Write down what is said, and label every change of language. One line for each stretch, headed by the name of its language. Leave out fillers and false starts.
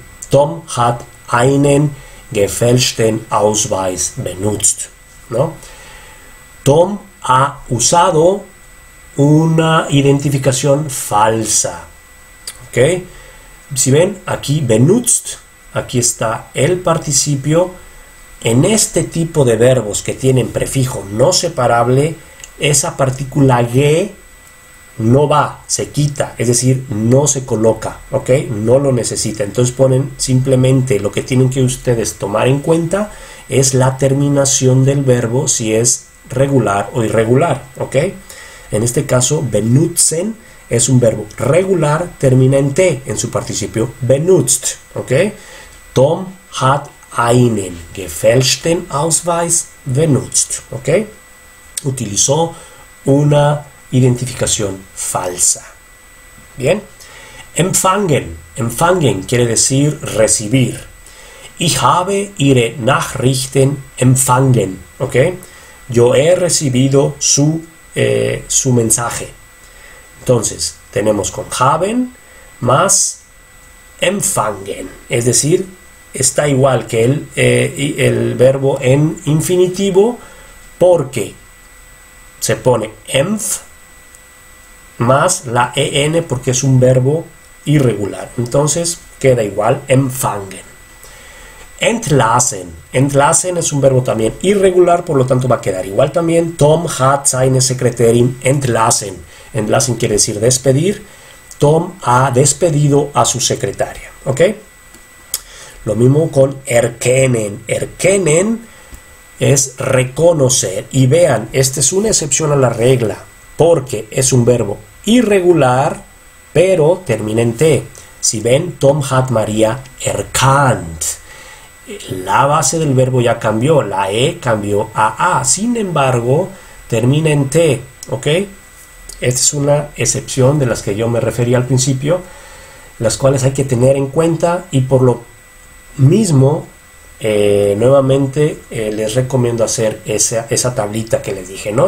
German: Tom hat einen gefälschten Ausweis benutzt, ¿no? Tom
Spanish: ha usado una identificación falsa. ¿Ok? Si ven, aquí benutzt, aquí está el participio. En este tipo de verbos que tienen prefijo no separable, esa partícula ge no va, se quita, es decir, no se coloca, ¿ok? No lo necesita. Entonces ponen simplemente lo que tienen que ustedes tomar en cuenta es la terminación del verbo, si es regular o irregular, ¿ok? En este caso, benutzen es un verbo regular, termina en T en su participio, benutzt, ¿ok?
German: Tom hat einen gefälschten Ausweis benutzt, ¿ok?
Spanish: Utilizó una identificación falsa. Bien. Empfangen. Empfangen quiere decir recibir.
German: Ich habe ihre Nachrichten empfangen.
Spanish: Ok. Yo he recibido su mensaje. Entonces, tenemos con haben más empfangen. Es decir, está igual que el verbo en infinitivo porque se pone empf más la en porque es un verbo irregular. Entonces queda igual empfangen. Entlassen. Entlassen es un verbo también irregular, por lo tanto va a quedar igual también.
German: Tom hat seine Sekretärin entlassen.
Spanish: Entlassen quiere decir despedir. Tom ha despedido a su secretaria. ¿Ok? Lo mismo con erkennen. Erkennen es reconocer. Y vean, esta es una excepción a la regla porque es un verbo irregular, pero termina en T. Si ven,
German: Tom hat Maria erkannt.
Spanish: La base del verbo ya cambió, la E cambió a A. Sin embargo, termina en T, ¿ok? Esta es una excepción de las que yo me referí al principio, las cuales hay que tener en cuenta y por lo mismo, nuevamente, les recomiendo hacer esa tablita que les dije, ¿no?